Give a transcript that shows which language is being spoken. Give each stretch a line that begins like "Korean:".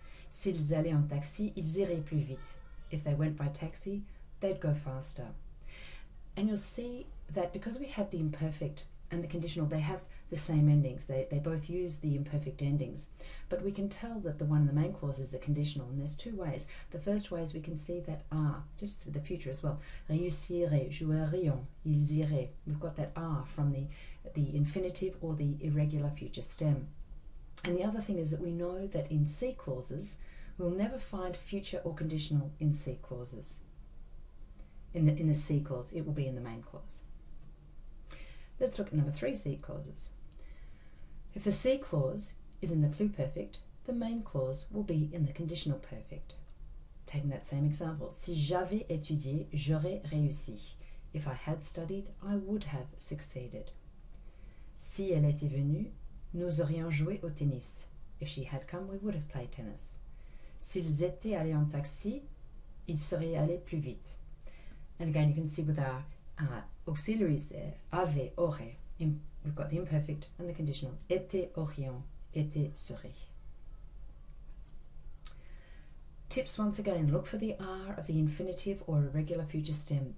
French: S'ils allaient en taxi, ils iraient plus vite.
English: If they went by taxi, they'd go faster. And you'll see that because we have the imperfect and the conditional, they have the same endings. They both use the imperfect endings. But we can tell that the one in the main clause is the conditional, and there's two ways. The first way is we can see that R, just with the future as well.
French: Réussirait, jouerions, ils iraient.
English: We've got that R from the infinitive or the irregular future stem. And the other thing is that we know that in C clauses, we'll never find future or conditional in C clauses. In the C clause, it will be in the main clause. Let's look at number three, C clauses. If the C clause is in the pluperfect, the main clause will be in the conditional perfect. Taking that same example,
French: si j'avais étudié, j'aurais réussi.
English: If I had studied, I would have succeeded.
French: Si elle était venue, nous aurions joué au tennis.
English: If she had come, we would have played tennis.
French: S'ils étaient allés en taxi, ils seraient allés plus vite.
English: And again, you can see with our auxiliaries there, avait, aurait, we've got the imperfect and the conditional.
French: Était, aurions, était, serait.
English: Tips once again, look for the R of the infinitive or irregular future stem.